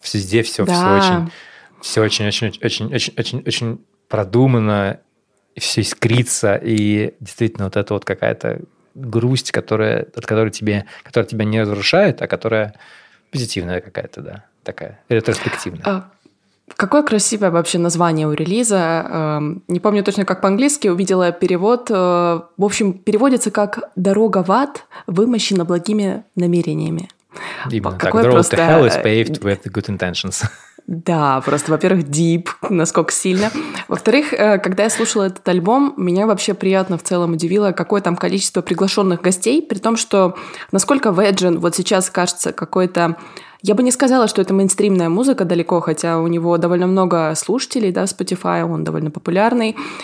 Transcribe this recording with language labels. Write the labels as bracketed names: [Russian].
[Russian] Везде все, да. все очень продумано, все искрится, и действительно вот это вот какая-то грусть, которая тебя не разрушает, а которая позитивная какая-то, да, такая ретроспективная. Какое красивое вообще название у релиза. Не помню точно, как по-английски, увидела перевод. В общем, переводится как «Дорога в ад, вымощена благими намерениями». Именно какое так. [English] «The road [Russian] просто... [English] to hell is paved with good intentions». [Russian] Да, просто, во-первых, deep, насколько сильно. Во-вторых, когда я слушала этот альбом, меня вообще приятно в целом удивило, какое там количество приглашенных гостей, при том, что насколько Virgin вот сейчас кажется какой-то... Я бы не сказала, что это мейнстримная музыка далеко, хотя у него довольно много слушателей, да, Spotify, он довольно популярный.